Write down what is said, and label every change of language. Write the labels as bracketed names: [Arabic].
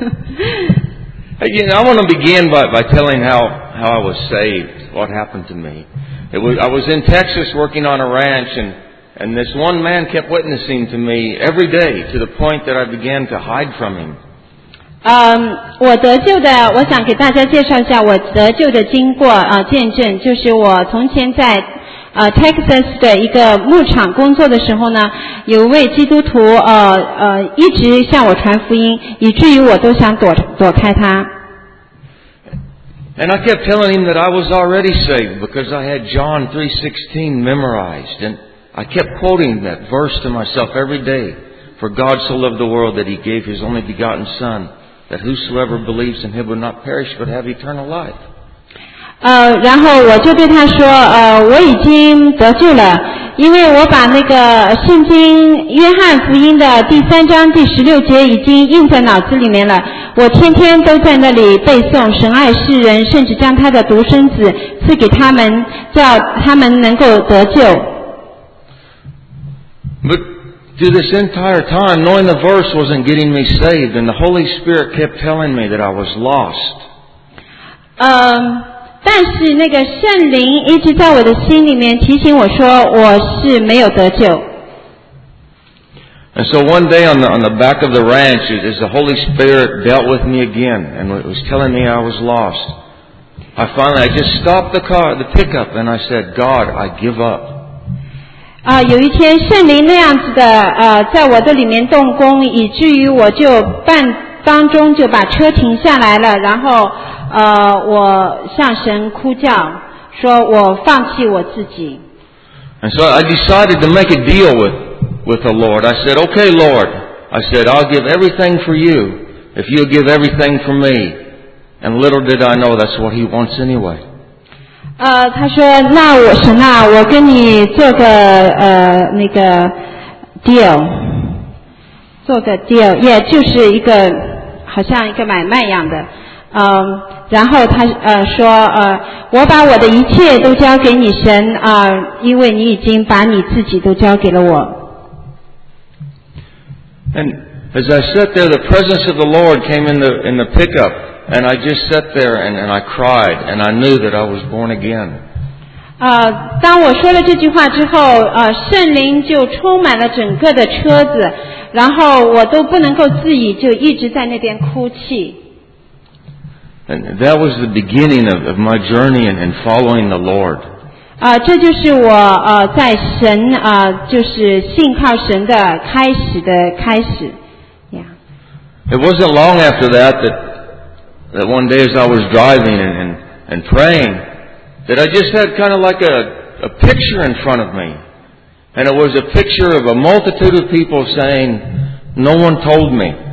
[English] Again, I want to begin by telling how I was saved, what happened to me. I was in Texas working on a ranch, and this one man kept witnessing to me every day to the point that I began to hide from him. [Chinese] 我得救的，我想给大家介绍一下我得救的经过见证，就是我从前在Texas 的一个牧场工作的时候呢，有位基督徒一直向我传福音，以至于我都想躲开他。 [English] And I kept telling him that I was already saved because I had John 3:16 memorized, and I kept quoting that verse to myself every day. For God so loved the world that He gave His only begotten Son. That whosoever believes in him will not perish but have eternal life. [Chinese] 然后我就对他说，我已经得救了，因为我把那个圣经约翰福音的第三章第十六节已经印在脑子里面了，我天天都在那里背诵，神爱世人，甚至将他的独生子赐给他们，叫他们能够得救。 [English] Through this entire time, knowing the verse wasn't getting me saved, and the Holy Spirit kept telling me that I was lost. [Chinese] 但是那个圣灵一直在我的心里面提醒我说我是没有得救。 [English] And so one day on the back of the ranch, as the Holy Spirit dealt with me again, and it was telling me I was lost, I just stopped the car, the pickup, and I said, God, I give up. [Chinese] 有一天圣灵那样子的在我的里面动工，以至于我就半当中就把车停下来了，然后我向神哭叫说我放弃我自己。 [English] And so I decided to make a deal with the Lord. I said, okay, Lord, I said, I'll give everything for you if you'll give everything for me. And little did I know that's what he wants anyway. [Chinese] 他说那我神啊，我跟你做个那个 deal， 做个 deal， 也、yeah, 就是一个好像一个买卖一样的。然后他说我把我的一切都交给你神啊、因为你已经把你自己都交给了我。 [English] And as I sat there, the presence of the Lord came in the pickup. And I just sat there and I cried and I knew that I was born again. [Chinese] 当我说了这句话之后，圣灵就充满了整个的车子，然后我都不能够自已，就一直在那边哭泣。 [English] And that was the beginning of my journey and following the Lord. [Chinese] 这就是我在神就是信靠神的开始的开始。 Yeah. [English] It wasn't long after that one day as I was driving and praying, that I just had kind of like a picture in front of me. And it was a picture of a multitude of people saying, no one told me.